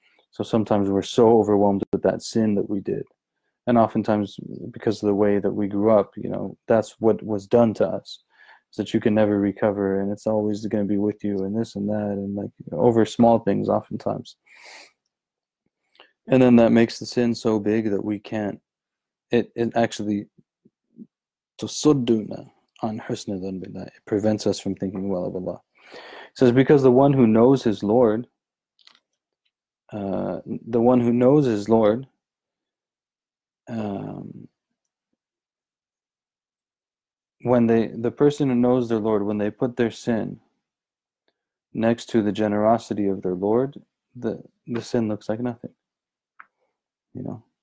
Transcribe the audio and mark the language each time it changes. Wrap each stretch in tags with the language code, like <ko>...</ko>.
<en>So sometimes we're so overwhelmed with that sin that we did. And oftentimes, because of the way that we grew up, you know, that's what was done to us. Is that you can never recover and it's always going to be with you and this and that. And like, you know, over small things oftentimes. And then that makes the sin so big that we can't.</en> <ar>It actually, تصدنا عن حسن الظن بالله.</ar> <en>It prevents us from thinking well of Allah. It says, because the one who knows his Lord, the one who knows his Lord When the person who knows their Lord, when they put their sin next to the generosity of their Lord, the sin looks like nothing. You know?</en>